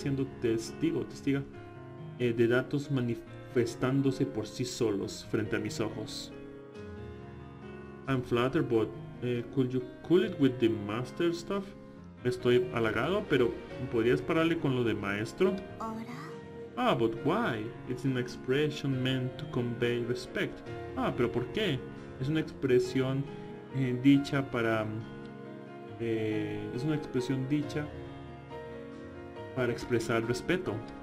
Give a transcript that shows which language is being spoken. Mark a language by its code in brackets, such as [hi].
[es] Es como si estuviera siendo testigo de datos manifestándose por sí solos frente a mis ojos. [en] I'm flattered, but could you cool it with the master stuff? [es] Estoy halagado, pero ¿podrías pararle con lo de maestro? ¿Ahora? [en] Ah, but why? It's an expression meant to convey respect. [es] Ah, pero ¿por qué? Es una expresión dicha para... es una expresión dicha para expresar respeto.